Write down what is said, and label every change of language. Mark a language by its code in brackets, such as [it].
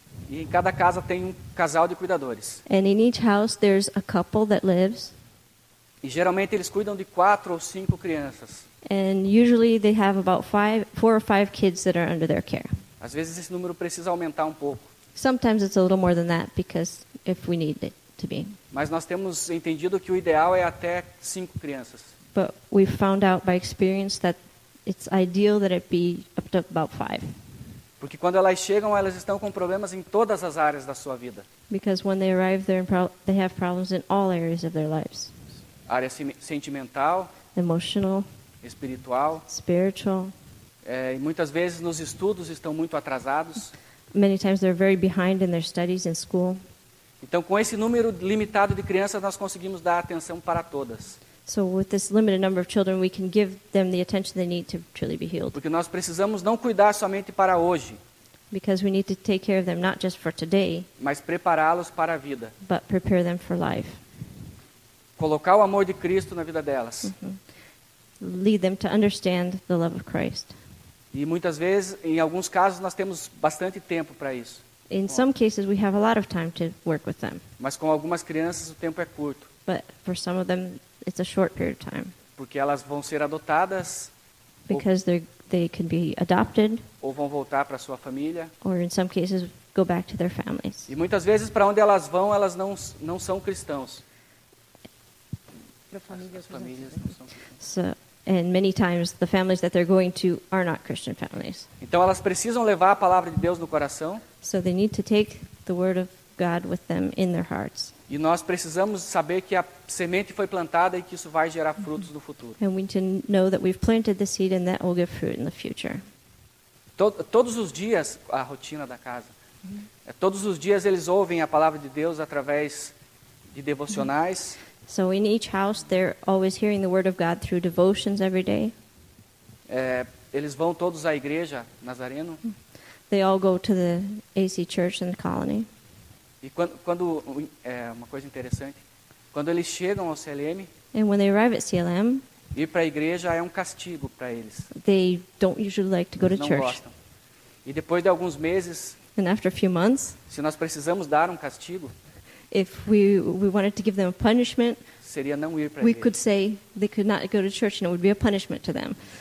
[pt] E em cada casa tem casal de cuidadores. [en] And in each house there's a couple that lives. [pt] E geralmente eles cuidam de quatro ou cinco crianças. [en] And usually they have about four or five kids that are under their care. [pt] Às vezes esse número precisa aumentar pouco. [en] Sometimes it's a little more than that because if we need it to be. [pt] Mas nós temos entendido que o ideal é até cinco crianças. [en] But we found out by experience that it's ideal that it be up to about five. [pt] Porque quando elas chegam, elas estão com problemas em todas as áreas da sua vida. [en] Because when they arrive, they have problems in all areas of their lives. [pt] Área sentimental. [en] Emotional. [pt] Espiritual. [en] Spiritual. [pt] E muitas vezes nos estudos estão muito atrasados. [en] Many times they're very behind in their studies in school. [pt] Então, com esse número limitado de crianças, nós conseguimos dar atenção para todas. [en] So with this limited number of children, we can give them the attention they need to truly be healed. [pt] Porque nós precisamos não cuidar somente para hoje. [en] Because we need to take care of them not just for today, [pt] mas prepará-los para a vida. [en] But prepare them for life. [pt] Colocar o amor de Cristo na vida delas. Mm-hmm. [en] Lead them to understand the love of Christ. [pt] E muitas vezes, em alguns casos, nós temos bastante tempo para isso. [en] In Bom. Some cases we have a lot of time to work with them. [pt] Mas com algumas crianças o tempo é curto. [en] But for some of them it's a short period of time. [pt] Porque elas vão ser adotadas. [en] Because they can be adopted. [pt] Ou vão voltar para sua família. [en] Or in some cases go back to their families. [pt] E muitas vezes para onde elas vão, elas não são cristãos. As famílias não são cristãs. [en] So, and many times the families that they're going to are not Christian families. [pt] Então elas precisam levar a palavra de Deus no coração. [en] So they need to take the word of God with them in their hearts. [pt] E nós precisamos saber que a semente foi plantada e que isso vai gerar frutos no futuro. [en] And we need to know that we've planted the seed and that will give fruit in the future. [pt] Todos os dias, a rotina da casa, todos os dias eles ouvem a palavra de Deus através de devocionais. [en] So in each house they're always hearing the word of God through devotions every day. [pt] Eles vão todos à igreja Nazareno. [en] They all go to the AC church in the colony. [pt] E quando é uma coisa interessante, quando eles chegam ao CLM, [en] and when they arrive at CLM, [pt] ir para a igreja é um castigo para eles. [en] They don't usually like to go to church. [pt] Não gostam. E depois de alguns meses, [en] and after a few months, [pt] se nós precisamos dar um castigo, [en] if we wanted to give them a punishment, [pt] seria não ir para a igreja. [en] We could say they could not go to church and it would be a punishment to them.